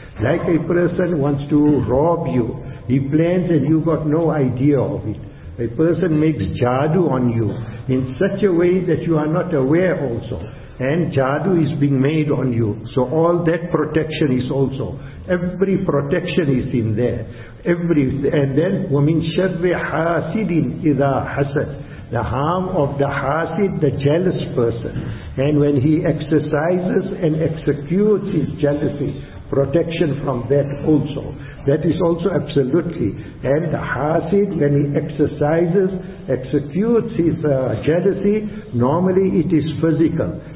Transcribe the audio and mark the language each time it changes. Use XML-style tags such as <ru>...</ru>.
<en>Like a person wants to rob you, he plans and you got no idea of it. A person makes jadu on you in such a way that you are not aware also. And jadu is being made on you. So all that protection is also. Every protection is in there.</en> <ar>And then, وَمِنْ شَرِّ حَاسِدٍ إِذَا حَسَدٍ.</ar> <en>The harm of the hasid, the jealous person. And when he exercises and executes his jealousy, protection from that also. That is also absolutely. And the hasid, when he executes his jealousy, normally it is physical.</en>